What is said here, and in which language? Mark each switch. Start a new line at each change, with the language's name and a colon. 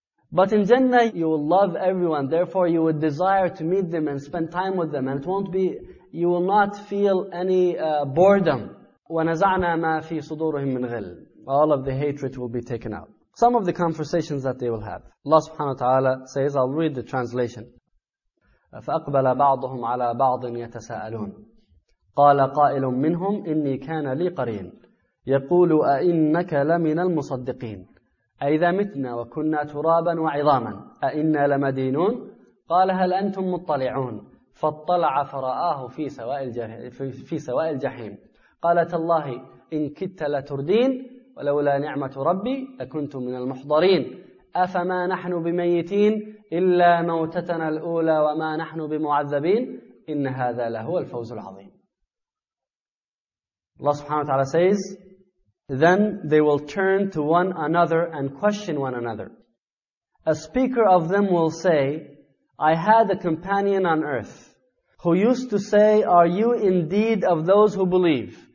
English: But in Jannah, you will love everyone. Therefore, you would desire to meet them and spend time with them. And it won't be, you will not feel any boredom.
Arabic: وَنَزَعْنَا مَا فِي صُدُورِهِمْ مِنْ غِلْ.
English: All of the hatred will be taken out. Some of the conversations that they will have. Allah subhanahu wa ta'ala says, I'll read the translation.
Arabic: فَأَقْبَلَ بَعْضُهُمْ عَلَىٰ بَعْضٍ يَتَسَاءَلُونَ قَالَ قَائِلٌ مِّنْهُمْ إِنِّي كَانَ لِي قَرِينٌ يَقُولُ أَإِنَّكَ لَمِنَ الْمُصَدِّقِينَ أَإِذَا مِتْنَا وَكُنَّا تُرَابًا وَعِظَامًا أَإِنَّا لَمَدِينُونَ قَالَ هَلْ أَنْتُمْ مُطَّلِعُونَ فَاطَّلَعَ فَرَآهُ فِي سَوَاءِ الْجَحِيمِ قَالَ تَاللَّهِ إِن كِدْتَ لَتُرْدِينِ ولولا نعمة ربي لكنت من المحضرين أفما نحن بميتين إلا موتتنا الأولى وما نحن بمعذبين إن هذا لهو الفوز العظيم.
English: Allah subhanahu wa ta'ala says, then they will turn to one another and question one another. A speaker of them will say, I had a companion on earth who used to say, are you indeed of those who believe?